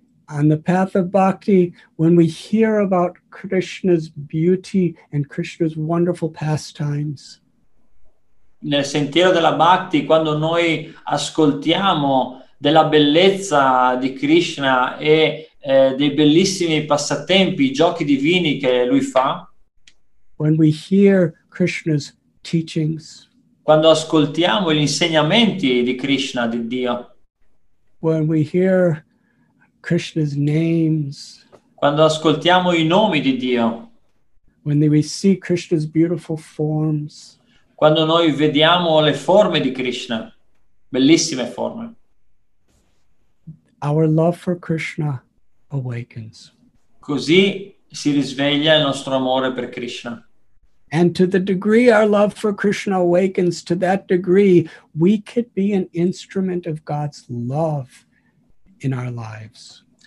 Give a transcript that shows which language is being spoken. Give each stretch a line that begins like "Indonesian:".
English: On the path of bhakti, when we hear about Krishna's beauty and Krishna's wonderful pastimes,
Italian: nel sentiero della bhakti, quando noi ascoltiamo della bellezza di Krishna e dei bellissimi passatempi, giochi divini che lui fa,
English: when we hear Krishna's teachings,
Italian: quando ascoltiamo gli insegnamenti di Krishna, di Dio,
English: when we hear Krishna's names,
Italian: quando ascoltiamo i nomi di Dio,
English: when we see Krishna's beautiful forms,
Italian: quando noi vediamo le forme di Krishna, bellissime forme,
English: our love for Krishna awakens.
Italian: Così si risveglia il nostro amore per Krishna.
English: And to the degree our love for Krishna awakens, to that degree we could be an instrument of God's love in our lives.